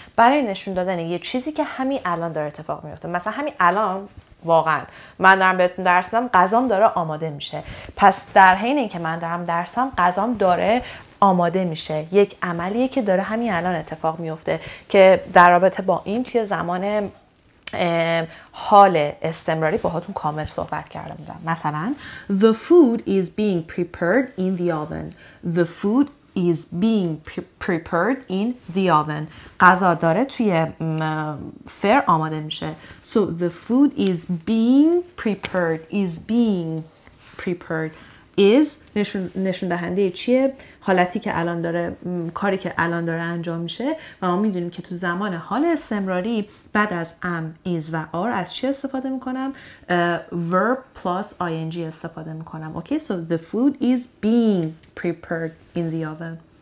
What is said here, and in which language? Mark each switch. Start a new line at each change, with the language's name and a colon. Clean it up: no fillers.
Persian: برای نشون دادن یه چیزی که همین الان داره اتفاق میفته. مثلا همین الان واقعا من دارم بهتون درس میدم، غذام داره آماده میشه. پس در حین اینکه من دارم درسم، غذام داره آماده میشه. یک عملیه که داره همین الان اتفاق میفته که در رابطه با این توی زمان حال استمراری باهاتون کامل صحبت کرده بودم. مثلا
English: The food is being prepared in the oven. The food is being prepared in the oven.
Persian: غذا داره توی فر آماده میشه.
English: So the food is being prepared. Is being prepared.
Persian: Is نشون دهنده چیه؟ حالتی که الان داره، کاری که الان داره انجام میشه. و ما میدونیم که تو زمان حال استمراری بعد از am, is و are از چی استفاده میکنم؟ Verb plus ing استفاده میکنم.
English: Okay, so the food is being prepared in the oven.